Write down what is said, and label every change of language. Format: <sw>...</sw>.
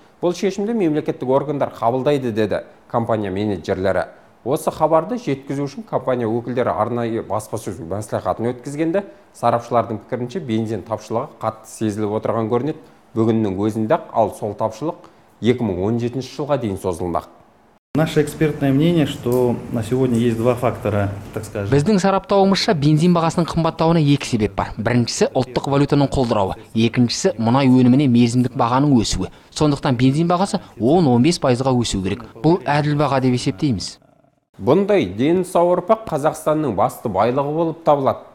<kk>Бұл шешімді мемлекеттік органдар қабылдайды, деді компания менеджерлері. Осы хабарды жеткізу үшін компания өкілдері арнайы баспасөз мәслихатын өткізгенде, сарапшылардың пікірінше бензин тапшылығы қатты сезіліп отырған көрінеді. Бүгіннің өзінде ал сол тапшылық 2017 жылға дейін созылмақ.</kk> <ru>Наше экспертное мнение, что на сегодня есть два фактора, так скажем.</ru> <kk>Біздің сараптауымызша бензин бағасының қымбаттауына екі себеп бар. Біріншісі ұлттық валютаның құлдырауы, екіншісі мұнай өніміне мерзімдік бағаның өсуі. Сондықтан бензин бағасы 10-15%-ға өсу керек. Бұл әділ баға деп есептейміз. Бұндай дені сау ұрпақ Қазақстанның басты байлығы болып табылады.</kk>